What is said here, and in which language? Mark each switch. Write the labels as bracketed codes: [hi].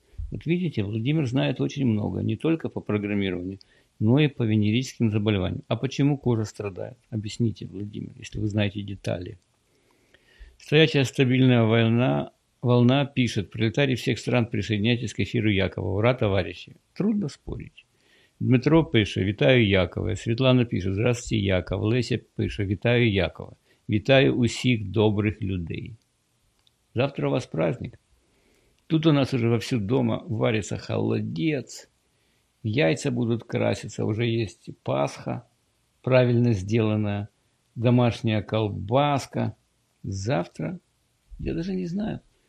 [ru] Вот видите, Владимир знает очень много, не только по программированию, но и по венерическим заболеваниям. А почему кожа страдает? Объясните, Владимир, если вы знаете детали. Стоячая стабильная война. Волна пишет. Пролетарии всех стран, присоединяйтесь к эфиру Якова. Ура, товарищи. Трудно спорить. [uk] Дмитро пише, вітаю Якова. Світлана пише, [ru] здравствуйте, Яков. [uk] Леся пише, вітаю Якова. Вітаю усіх добрих людей. [ru] Завтра у вас праздник. Тут у нас уже вовсю дома варится холодец. Яйца будут краситься. Уже есть Пасха, правильно сделанная. Домашняя колбаска. Завтра? Я даже не знаю.